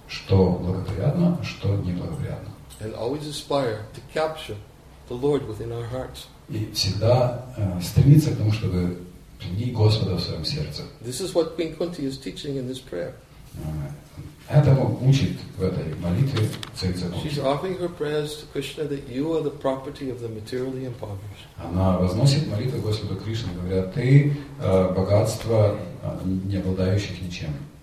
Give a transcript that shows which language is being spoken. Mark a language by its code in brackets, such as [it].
[ru] Что благоприятно, что неблагоприятно. [en] And always aspire to capture the Lord within our hearts. [ru] И всегда стремиться к тому, чтобы принять Господа в своем сердце. [en] This is what Queen Kunti is teaching in this prayer. [ru] Этому учит в этой молитве Цари Цари. [en] She's offering her prayers to Krishna that you are the property of the materially impoverished. [ru] Она возносит молитву Господу Кришне, говоря, ты богатство не обладающих ничем.